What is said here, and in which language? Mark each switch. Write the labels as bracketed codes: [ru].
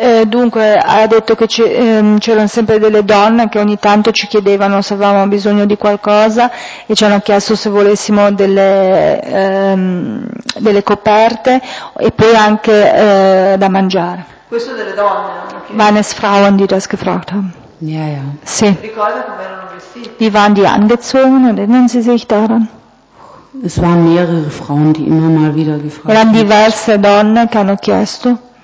[it] Dunque, ha detto che c'erano sempre delle donne che ogni tanto ci chiedevano se avevamo bisogno di qualcosa e ci hanno chiesto se volessimo delle coperte e poi anche da mangiare. Questo delle donne? [de] Meine Frauen, die das gefragt haben. Ja, ja. [it] Sì. Ricorda come erano vestiti? [de] Wie waren die angezogen? Erinnern Sie sich daran? Es waren mehrere Frauen, die immer mal wieder gefragt haben. [it] Erano diverse donne che hanno chiesto.